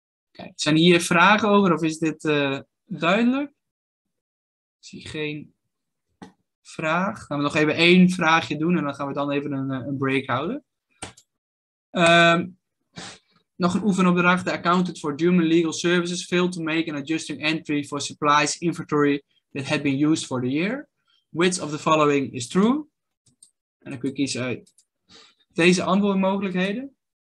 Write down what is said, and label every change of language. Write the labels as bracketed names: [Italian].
[Dutch] Kijk, zijn hier vragen over of is dit duidelijk? Ik zie geen vraag. Gaan we nog even één vraagje doen en dan gaan we dan even een break houden. Nog een oefenopdracht. [English] The accountant for German Legal Services failed to make an adjusting entry for supplies inventory that had been used for the year. Which of the following is true? [Dutch] En dan kun je kiezen uit deze antwoordmogelijkheden.